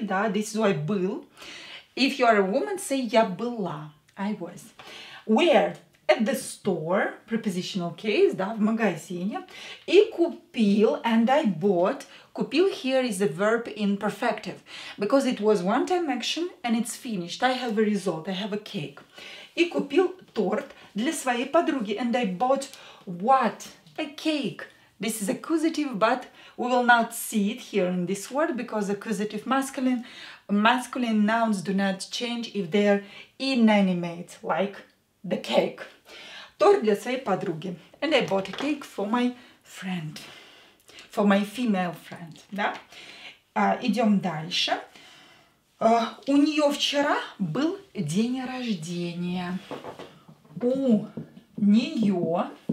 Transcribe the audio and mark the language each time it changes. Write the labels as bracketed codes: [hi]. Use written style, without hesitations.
[en] Да? This is why был. If you are a woman, say [ru] я была. [en] I was. Where? At the store. Prepositional case. Да? [ru] В магазине. И купил. [en] And I bought. Купил here is a verb in perfective. Because it was one-time action and it's finished. I have a result. I have a cake. [ru] И купил торт для своей подруги. [en] And I bought... What? A cake. This is accusative, but we will not see it here in this word because accusative masculine nouns do not change if they are inanimate, like the cake. [ru] Торт для своей подруги. [en] And I bought a cake for my friend. For my female friend. Да? [ru] Идем дальше. У нее вчера был день рождения. У нее...